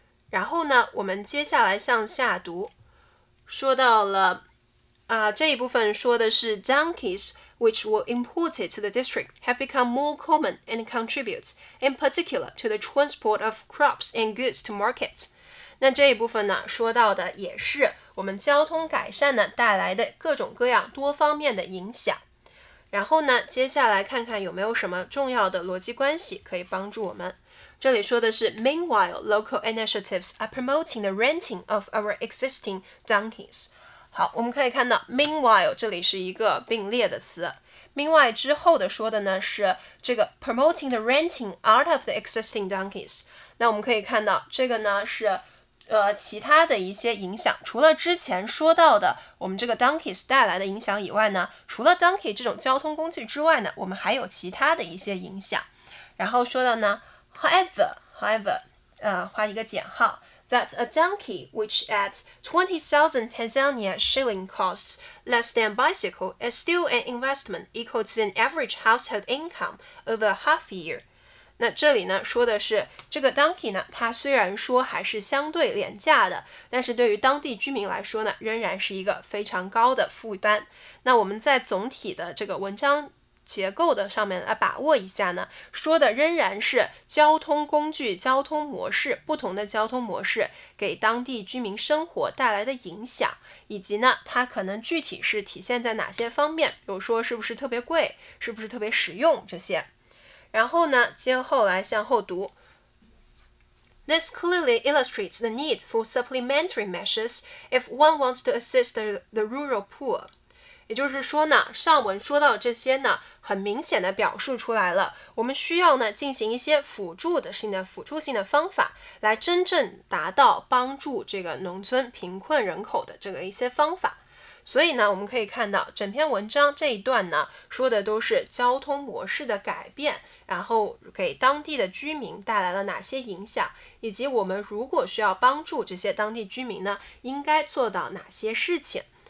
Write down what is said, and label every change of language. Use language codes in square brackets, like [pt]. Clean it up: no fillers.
[zh] 然后呢我们接下来向下读，说到了这一部分说的是 [en] donkeys which were imported to the district have become more common and contribute in particular to the transport of crops and goods to markets。 [zh] 那这一部分呢说到的也是我们交通改善呢带来的各种各样多方面的影响。然后呢接下来看看有没有什么重要的逻辑关系可以帮助我们。这里说的是 [en] Meanwhile, local initiatives are promoting the renting of our existing donkeys。 [zh] 好，我们可以看到 Meanwhile 这里是一个并列的词，另外之后的说的呢是这个 [en] promoting the renting out of the existing donkeys。 [zh] 那我们可以看到这个呢是其他的一些影响，除了之前说到的我们这个 donkeys 带来的影响以外呢，除了 donkey 这种交通工具之外呢，我们还有其他的一些影响。然后说到呢 [en] however [zh] 画一个减号， [en] that a donkey which at 20,000 Tanzania shilling costs less than bicycle is still an investment equal to an average household income over half a year。 [zh] 那这里呢说的是这个 donkey 呢它虽然说还是相对廉价的，但是对于当地居民来说呢仍然是一个非常高的负担。那我们在总体的这个文章结构的上面来把握一下呢，说的仍然是交通工具交通模式，不同的交通模式给当地居民生活带来的影响，以及呢它可能具体是体现在哪些方面，比如说是不是特别贵，是不是特别实用这些。然后呢接后来向后读， [en] This clearly illustrates the need for supplementary measures if one wants to assist the rural poor。 [zh] 也就是说呢上文说到这些呢很明显的表述出来了，我们需要呢进行一些辅助性的方法来真正达到帮助这个农村贫困人口的这个一些方法。所以呢我们可以看到整篇文章这一段呢说的都是交通模式的改变，然后给当地的居民带来了哪些影响，以及我们如果需要帮助这些当地居民呢应该做到哪些事情。